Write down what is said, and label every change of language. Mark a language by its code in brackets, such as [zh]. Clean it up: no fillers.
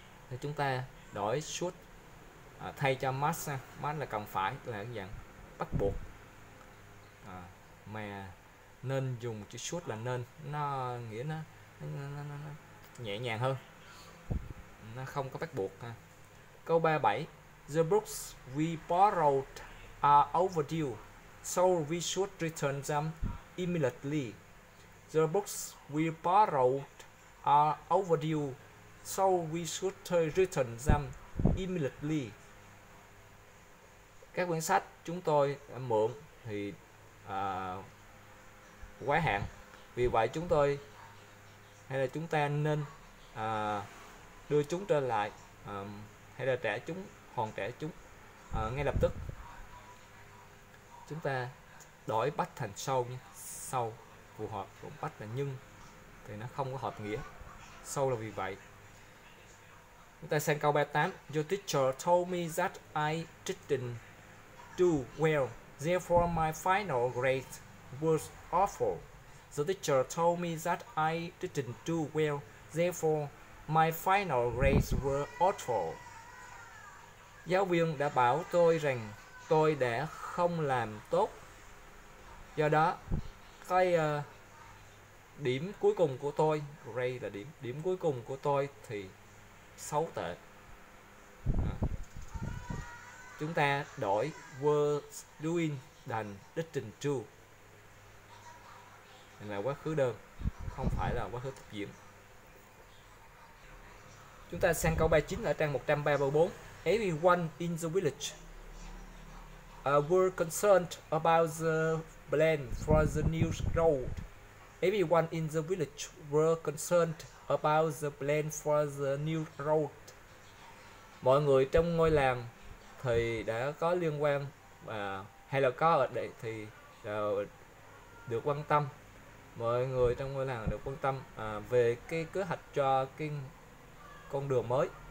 [vi] Thì chúng ta đổi should thay cho must ha. Must là cần phải, là dạng bắt buộc. Mà nên dùng chữ should là nên, nó nghĩa nó nhẹ nhàng hơn, nó không có bắt buộc ha. Câu 37, [en] the books we borrowed are overdue, so we should return them immediately. The books we borrowed are overdue, so we should return them immediately. [vi] Các quyển sách chúng tôi mượn thì quá hạn, vì vậy chúng tôi hay là chúng ta nên đưa chúng trở lại, hay là trả chúng, hoàn trả chúng ngay lập tức. Chúng ta đổi bắt thành sâu nhé. Sâu phù hợp, cũng bắt là nhưng thì nó không có hợp nghĩa. Sâu là vì vậy. Chúng ta sang câu 38. [en] Your teacher told me that I didn't do well, therefore my final grade was awful. The teacher told me that I didn't do well, therefore my final grades were awful. [vi] Giáo viên đã bảo tôi rằng tôi đã không làm tốt, do đó cái điểm cuối cùng của tôi, grade là điểm, điểm cuối cùng của tôi thì xấu tệ. Chúng ta đổi were doing thành didn't do, là quá khứ đơn, không phải là quá khứ thực diễn. Chúng ta sang câu 39 ở trang 134. [en] Everyone in the village were concerned about the plan for the new road. Everyone in the village were concerned about the plan for the new road. [vi] Mọi người trong ngôi làng thì đã có liên quan hay là có ở đây thì được quan tâm. Mọi người trong ngôi làng được quan tâm về cái kế hoạch cho cái con đường mới.